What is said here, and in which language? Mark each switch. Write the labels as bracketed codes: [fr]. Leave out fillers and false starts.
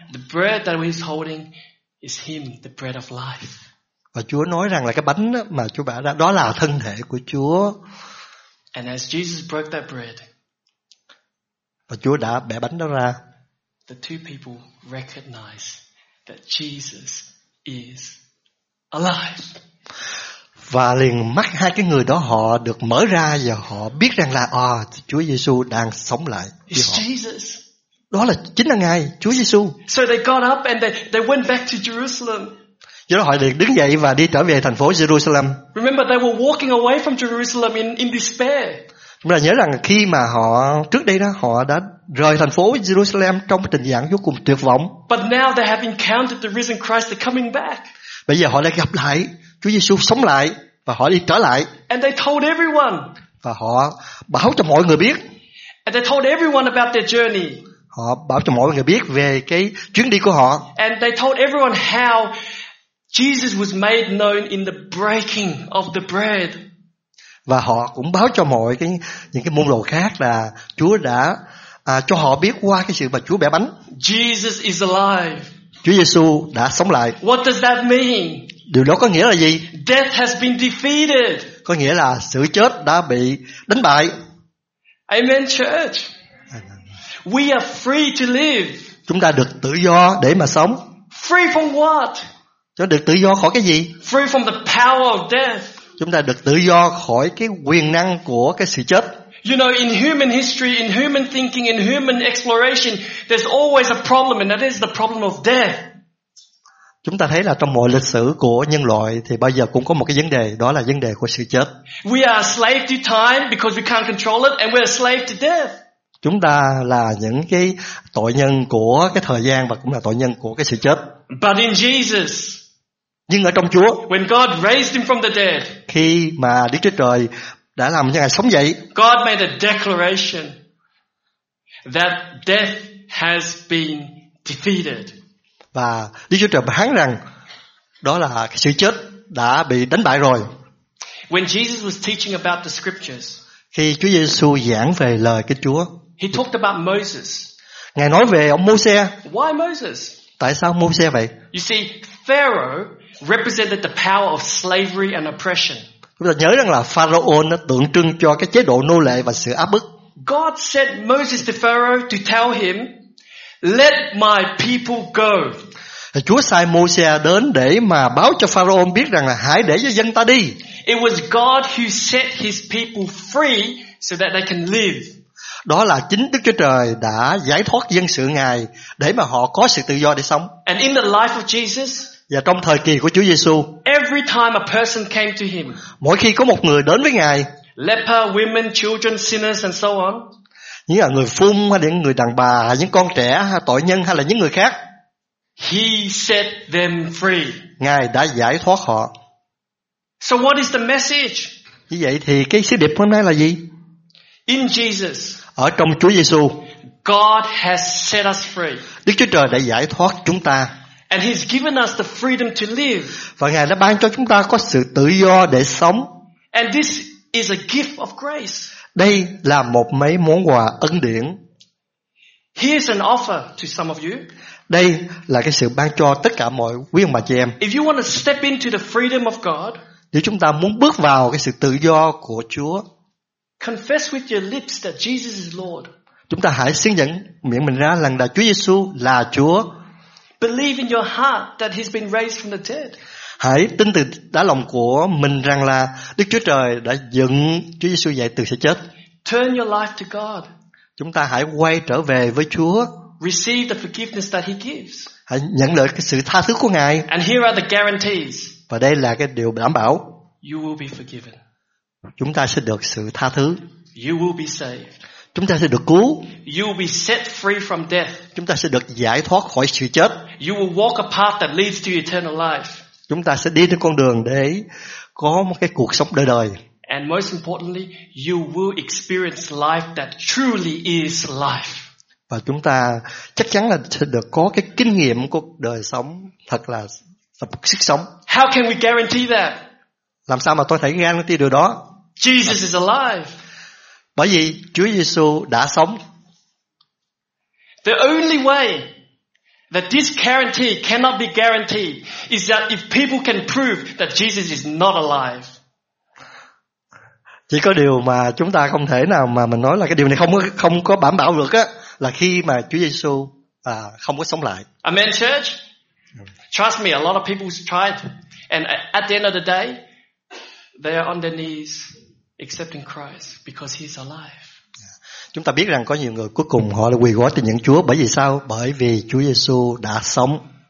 [en] The bread that he's holding is him, the bread of life. [vi] Và Chúa nói rằng là cái bánh mà Chúa bẻ ra đó là thân thể của Chúa. [en] And as Jesus broke that bread, [vi] và Chúa đã bẻ bánh đó ra, [en] the two people recognize that Jesus is alive. [vi] Và liền mắt hai cái người đó họ được mở ra và họ biết rằng là Chúa Giêsu đang sống lại với họ. [en] Jesus. [vi] Đó là chính là Ngài, Chúa Giêsu. [en] So they got up and they went back to Jerusalem. [vi] Do đó họ liền đứng dậy và đi trở về thành phố Jerusalem. [en] Remember they were walking away from Jerusalem in despair. [vi] Chúng ta nhớ rằng khi mà họ trước đây đó họ đã rời thành phố Jerusalem trong tình trạng vô cùng tuyệt vọng. [en] But now they have encountered the risen Christ, they're coming back. [vi] Bây giờ họ lại gặp lại Chúa Giêsu sống lại và họ đi trở lại. [en] And they told everyone. [vi] Và họ báo cho mọi người biết. [en] And they told everyone about their journey. [vi] Họ báo cho mọi người biết về cái chuyến đi của họ. [en] And they told everyone how Jesus was made known in the breaking of the bread. [vi] Và họ cũng báo cho mọi cái những cái môn đồ khác là Chúa đã cho họ biết qua cái sự mà Chúa bẻ bánh. [en] Jesus is alive. [vi] Chúa Giêsu đã sống lại. [en] What does that mean? [vi] Điều đó có nghĩa là gì? [en] Death has been defeated. [vi] Có nghĩa là sự chết đã bị đánh bại. [en] Amen, church. We are free to live. [vi] Chúng ta được tự do để mà sống. [en] Free from what? [vi] Chúng ta được tự do khỏi cái gì? [en] Free from the power of death. [vi] Chúng ta được tự do khỏi cái quyền năng của cái sự chết. [en] You know, in human history, in human thinking, in human exploration, there's always a problem, and that is the problem of death. [vi] Chúng ta thấy là trong mọi lịch sử của nhân loại thì bao giờ cũng có một cái vấn đề, đó là vấn đề của sự chết. [en] We are slave to time because we can't control it, and we're slave to death. [vi] Chúng ta là những cái tội nhân của cái thời gian và cũng là tội nhân của cái sự chết. [en] But in Jesus, [vi] nhưng ở trong Chúa, [en] when God raised him from the dead, [vi] khi mà Đức Chúa Trời đã làm cho Ngài sống dậy, [en] God made a declaration that death has been defeated. [vi] Và Đức Chúa Trời phán rằng đó là sự chết đã bị đánh bại rồi. [en] When Jesus was teaching about the scriptures, [vi] khi Chúa Giêsu giảng về lời Kinh Chúa, [en] he talked about Moses. [vi] Ngài nói về ông Môsê. [en] Why Moses? [vi] Tại sao Môsê vậy? [en] You see, Pharaoh represented the power of slavery and oppression. [vi] Chúng ta nhớ rằng là Pharaoh nó tượng trưng cho cái chế độ nô lệ và sự áp bức. [en] God sent Moses to Pharaoh to tell him, "Let my people go." [vi] Chúa sai Môsê đến để mà báo cho Pharaoh biết rằng là hãy để cho dân ta đi. [en] It was God who set his people free so that they can live. [vi] Đó là chính Đức Chúa Trời đã giải thoát dân sự Ngài để mà họ có sự tự do để sống. [en] And in the life of Jesus, [vi] và trong thời kỳ của Chúa Giêsu, [en] every time a person came to him, [vi] mỗi khi có một người đến với Ngài, [en] leper, women, children, sinners and so on, [vi] những là người phun hay những người đàn bà, những con trẻ hay tội nhân hay là những người khác, [en] he set them free. [vi] Ngài đã giải thoát họ. [en] So what is the message? [vi] Như vậy thì cái sứ điệp hôm nay là gì? [en] In Jesus, [vi] ở trong Chúa Giêsu, [en] God has set us free. [vi] Đức Chúa Trời đã giải thoát chúng ta. [en] And he's given us the freedom to live. [vi] Và Ngài đã ban cho chúng ta có sự tự do để sống. [en] And this is a gift of grace. [vi] Đây là một mấy món quà ân điển. [en] Here's an offer to some of you. [vi] Đây là cái sự ban cho tất cả mọi quý ông bà chị em. [en] If you want to step into the freedom of God, [vi] nếu chúng ta muốn bước vào cái sự tự do của Chúa, [en] confess with your lips that Jesus is Lord. [vi] Chúng ta hãy xưng nhận miệng mình ra rằng là Chúa Giêsu là Chúa. [en] Believe in your heart that he's been raised from the dead. [vi] Hãy tin từ đá lòng của mình rằng là Đức Chúa Trời đã dựng Chúa Giêsu dậy từ sự chết. [en] Turn your life to God. [vi] Chúng ta hãy quay trở về với Chúa. [en] Receive the forgiveness that he gives. [vi] Hãy nhận được cái sự tha thứ của Ngài. [en] And here are the guarantees. [vi] Và đây là cái điều đảm bảo. [en] You will be forgiven. [vi] Chúng ta sẽ được sự tha thứ. [en] You will be saved. [vi] Chúng ta sẽ được cứu. [en] You will be set free from death. [vi] Chúng ta sẽ được giải thoát khỏi sự chết. [en] You will walk a path that leads to eternal life. [vi] Chúng ta sẽ đi trên con đường để có một cái cuộc sống đời đời. [en] And most importantly, you will experience life that truly is life. [vi] Và chúng ta chắc chắn là sẽ được có cái kinh nghiệm của đời sống thật là sức sống. [en] How can we guarantee that? [vi] Làm sao mà tôi thể guarantee điều đó? [en] Jesus is alive. [vi] Bởi vì Chúa Giêsu đã sống. [en] The only way that this guarantee cannot be guaranteed is that if people can prove that Jesus is not alive. [vi] Chỉ có điều mà chúng ta không thể nào mà mình nói là cái điều này không có đảm bảo được á, là khi mà Chúa Giêsu không có sống lại. [en] Amen, church. Trust me, a lot of people tried, and at the end of the day, they are on their knees accepting Christ because he's alive. [vi] Chúng ta biết rằng có nhiều người cuối cùng họ là quỳ gối trên những Chúa, bởi vì sao? Bởi vì Chúa Giêsu đã sống.